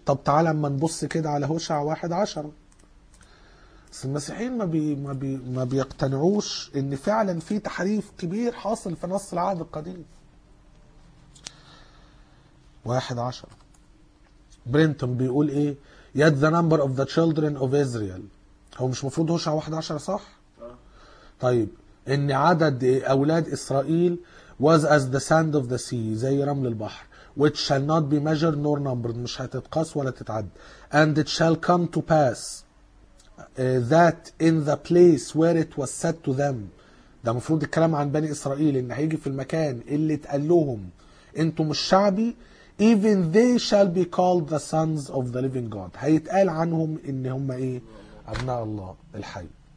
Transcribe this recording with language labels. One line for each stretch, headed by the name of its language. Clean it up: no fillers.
Arabic: طب تعالى اما نبص كده على هوشع 1:10، بس المسيحيين ما بيقتنعوش ان فعلا في تحريف كبير حاصل في نص العهد القديم.
English: 1:10
Arabic: برينتون بيقول ايه؟
English: Yet the number of the children of Israel.
Arabic: هو مش مفروض هوشع 1:10 صح؟ طيب ان عدد اولاد اسرائيل
English: was as the sand of the sea،
Arabic: زي رمل البحر.
English: Which shall not be measured nor numbered،
Arabic: مش هتتقاس ولا تتعد.
English: And it shall come to pass that in the place where it was said to them،
Arabic: ده مفروض الكلام عن بني إسرائيل، إن هيجي في المكان اللي تقال لهم أنتم الشعبي،
English: even they shall be called the sons of the living God،
Arabic: هيتقال عنهم إن هم إيه؟ أبناء الله الحي.